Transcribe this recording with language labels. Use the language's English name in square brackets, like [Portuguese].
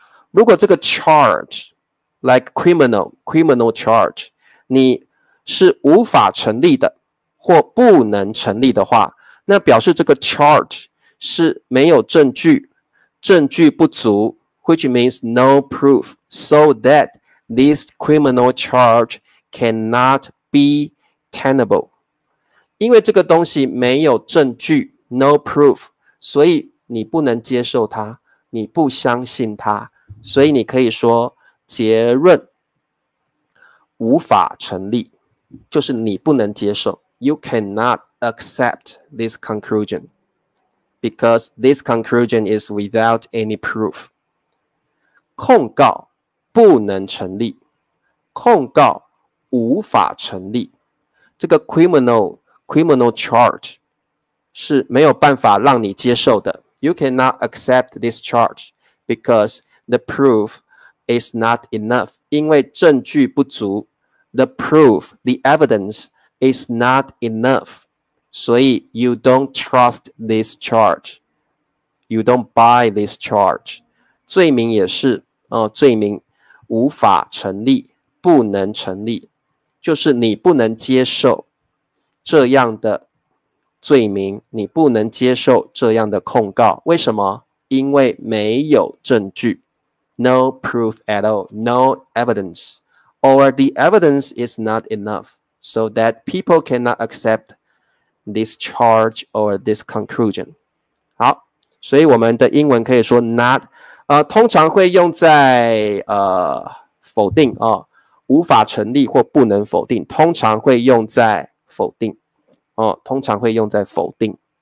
[Chinese] 如果这个 charge, like criminal charge, 你是无法成立的或不能成立的话，那表示这个 charge 是没有证据，证据不足， [English] which means no proof, so that this criminal charge cannot be tenable. [Chinese] 因为这个东西没有证据， [English] no proof, [Chinese] 所以你不能接受它，你不相信它，所以你可以说结论无法成立，就是你不能接受。 [English] You cannot accept this conclusion because this conclusion is without any proof. [Chinese] 控告不能成立，控告无法成立。这个 criminal charge 是没有办法让你接受的。 [English] You cannot accept this charge because the proof is not enough. [Chinese] 因为证据不足。 [English] The proof, the evidence,is not enough, [Chinese] 所以 [English] you don't trust this charge, you don't buy this charge. [Chinese] 罪名也是、罪名无法成立，不能成立，就是你不能接受这样的罪名，你不能接受这样的控告。为什么？因为没有证据， [English] no proof at all, no evidence, or the evidence is not enoughso that people cannot accept this charge or this conclusion. [Chinese] 好，所以我们的英文可以说 not, 通常会用在否定、无法成立或不能否定，通常会用在否定、通常会用在否定。